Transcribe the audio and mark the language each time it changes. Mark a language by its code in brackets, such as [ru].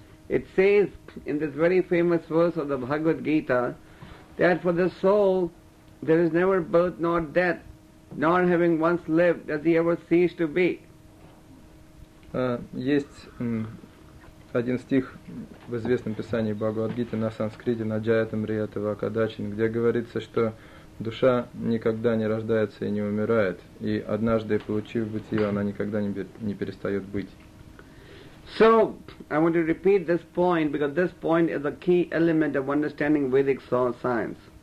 [en] It says in this very famous verse of the Bhagavad Gita that for the soul there is never birth nor death, nor having once lived does he ever cease to be. [ru] Один стих в известном писании Бхагавад-гиты на санскрите [sa] «Наджаята мрията вакадачин», [ru] где говорится, что душа никогда не рождается и не умирает, и однажды, получив бытие, она никогда не перестает быть. [en] So, I want to repeat this point, because this point is a key element of understanding Vedic science.